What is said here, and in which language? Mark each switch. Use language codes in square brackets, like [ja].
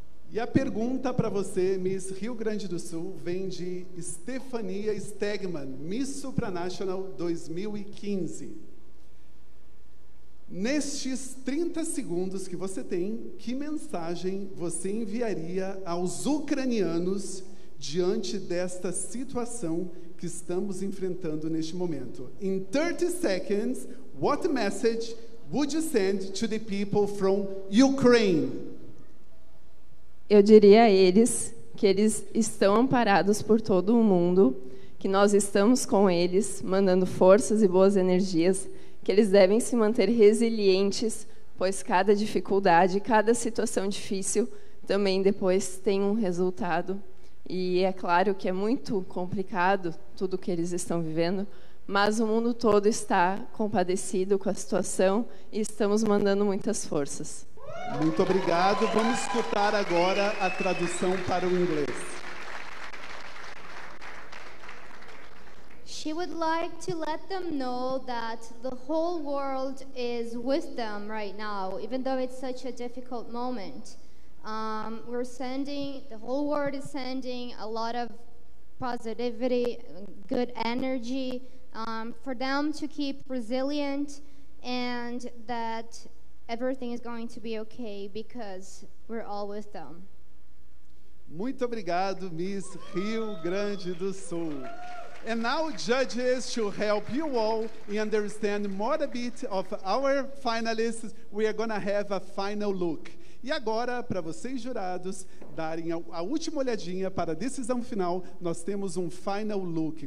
[pt] E a pergunta para você, Miss Rio Grande do Sul, vem de Stefania Stegman, Miss Supranational 2015. Nestes 30 segundos que você tem, que mensagem você enviaria aos ucranianos diante desta situação que estamos enfrentando neste momento? In 30 seconds, what message would you send to the people from Ukraine? Eu diria a eles que eles estão amparados por todo o mundo, que nós estamos com eles, mandando forças e boas energias, que eles devem se manter resilientes, pois cada dificuldade, cada situação difícil também depois tem um resultado. E é claro que é muito complicado tudo o que eles estão vivendo, mas o mundo todo está compadecido com a situação e estamos mandando muitas forças. Muito obrigado. Vamos escutar agora a tradução para o inglês. [en] She would like to let them know that the whole world is with them right now, even though it's such a difficult moment. The whole world is sending a lot of positivity, good energy, for them to keep resilient, and that everything is going to be okay because we're all with them. [pt] Muito obrigado, Miss Rio Grande do Sul. [en] And now, judges, to help you all understand more a bit of our finalists, we are going to have a final look. [pt] E agora, para vocês jurados darem a última olhadinha para a decisão final, nós temos um [en] final look.